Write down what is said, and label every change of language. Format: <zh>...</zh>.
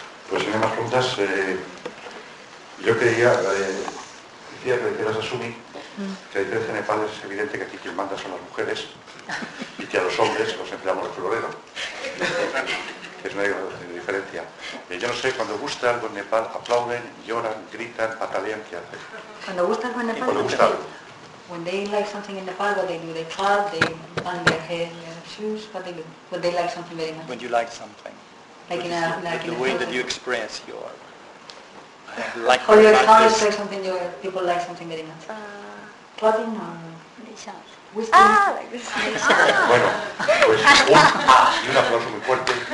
<es>Pues si no hay más preguntas, yo quería decir que decías a Sumi que a diferencia de Nepal es evidente que aquí quien manda son las mujeres y que a los hombres los empleamos el florero, que es una diferencia. Yo no sé, cuando gusta algo en Nepal aplauden, lloran, gritan, patalean, ¿qué hacen? Cuando gusta algo en Nepal, cuando gusta algo.</es> <en>When they like something in Nepal, what they do? They clap, they bang their head, their shoes. What they do? When they like something very much. When you like something. Like in a like the in way a that you express your like. Or you clap for something. Your people like something very much. Clapping or they shout. Whistling. Ah, like this. Ah.</en> <es>Bueno, pues y un aplauso muy fuerte.</es>